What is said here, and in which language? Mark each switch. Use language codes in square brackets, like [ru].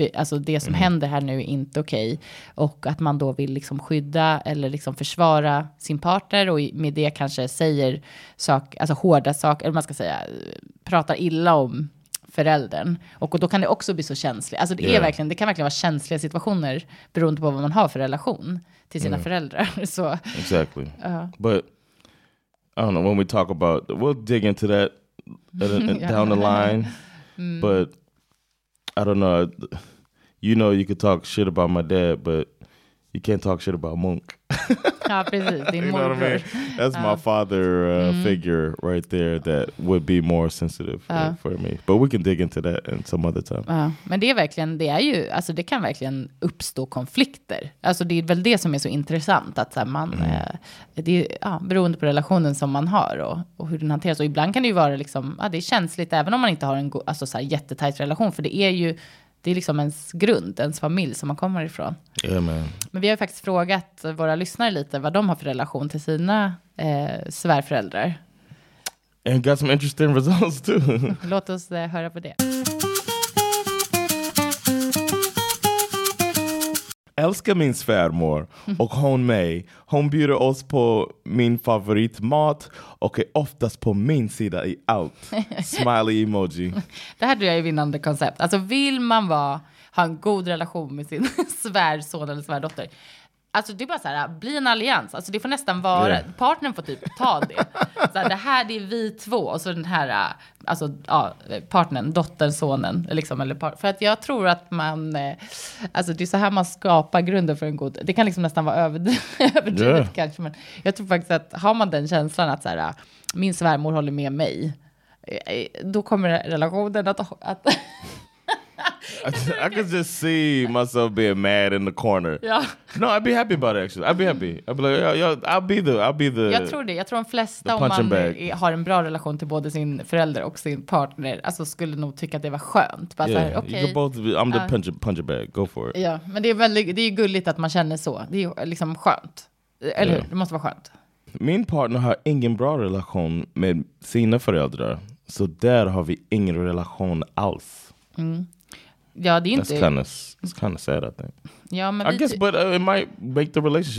[sv] Alltså det som händer här nu är inte okej. Och att man då vill liksom skydda eller liksom försvara sin partner, och med det kanske säger saker, alltså hårda saker, eller man ska säga, pratar illa om föräldern. Och då kan det också bli så känsligt. Alltså det är verkligen, det kan verkligen vara känsliga situationer beroende på vad man har för relation till sina föräldrar. Så. [en] Exactly. But I don't know, when we talk about, we'll dig into that down the line. But I don't know, you know you could talk shit about my dad, but you can't talk shit about Munk. [sv] Ja, precis. Det är morbror. [en] You know what I mean? That's my father figure right there that would be more sensitive for me. But we can dig into that in some other time. [sv] Men det är verkligen, det är ju, alltså det kan verkligen uppstå konflikter. Alltså det är väl det som är så intressant, att så här, man, det är beroende på relationen som man har och hur den hanteras. Och ibland kan det ju vara liksom, det är känsligt även om man inte har en alltså, så här, jättetajt relation, för det är ju, det är liksom ens grund, ens familj som man kommer ifrån. Amen. Men vi har ju faktiskt frågat våra lyssnare lite vad de har för relation till sina svärföräldrar. [en] And got some interesting results too. [sv] Låt oss höra på det. Älskar min svärmor och hon mig. Hon bjuder oss på min favoritmat och är oftast på min sida i allt. Smiley emoji. Det här tror jag är vinnande koncept. Alltså vill man vara, ha en god relation med sin svärson eller svärdotter. Alltså det är bara så här, bli en allians. Alltså det får nästan vara, partnern får typ ta det. Så här, det här, det är vi två. Och så den här, alltså partnern, dottern, sonen. Liksom, eller för att jag tror att man, alltså det är så här man skapar grunden för en god. Det kan liksom nästan vara överdrivet kanske. Men jag tror faktiskt att har man den känslan att så här, min svärmor håller med mig. Då kommer relationen att [en] I could just see myself being mad in the corner. Yeah. No, I'd be happy about it actually. I'd be happy. I'd be like, I'll be the. [sv] Jag tror det. Jag tror de flesta, om man har en bra relation till både sin förälder och sin partner, alltså skulle nog tycka att det var skönt. Bara såhär, okay. [en] You could both be, I'm the punching bag. Go for it. [sv] Ja, yeah. Men det är väldigt, det är gulligt att man känner så. Det är liksom skönt. Eller hur? Det måste vara skönt. Min partner har ingen bra relation med sina föräldrar, så där har vi ingen relation alls. Ja, det är inte. [en] That's kind of sad, I think. [sv] Ja, men [en] I guess, but it might make the relationship